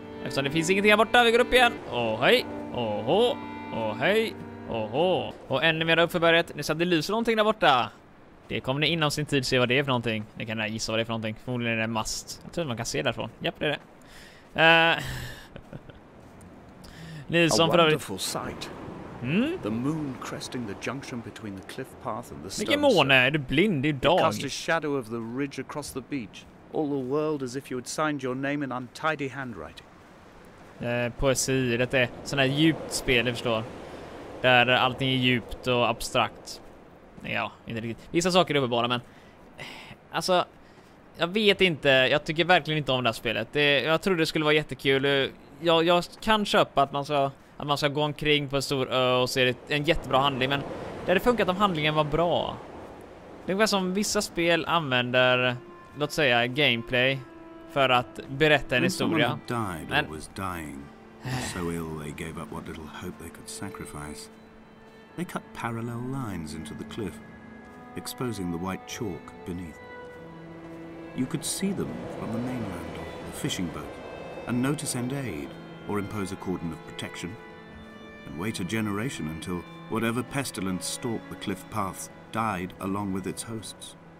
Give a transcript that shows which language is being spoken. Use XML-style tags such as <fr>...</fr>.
<sv>Eftersom det finns ingenting här borta, vi går upp igen. Åh, hej! Åh, åh, hej! Oho. Och ännu mer upp för berget. Ni ser att det lyser någonting där borta. Det kommer ni inom sin tid se vad det är för någonting. Ni kan gissa vad det är för någonting. Förmodligen är det en mast. Jag tror man kan se därifrån. Japp, det är det. Ni som för övrigt...</sv> <en>A wonderful sight. Mm? The moon cresting the junction between the cliff path and the stone.</en> <sv>Vilken måne, är du blind idag?</sv> <en>It cast a shadow of the ridge across the beach. All the world as if you had signed your name in untidy handwriting.</en> <sv>Poesi, det är sån här djupt spel, jag förstår. Där allting är djupt och abstrakt. Ja, inte riktigt. Vissa saker är uppenbara, men... Alltså, jag vet inte. Jag tycker verkligen inte om det här spelet. Jag trodde det skulle vara jättekul. Jag kan köpa att man ska gå omkring på en stor ö och se en jättebra handling. Men det hade funkat om handlingen var bra. Det är som vissa spel använder, låt säga, gameplay för att berätta en historia. Men...</sv> <en>So ill they gave up what little hope they could sacrifice. They cut parallel lines into the cliff, exposing the white chalk beneath. You could see them from the mainland or the fishing boat, and notice and aid, or impose a cordon of protection, and wait a generation until whatever pestilence stalked the cliff paths died along with its hosts.</en>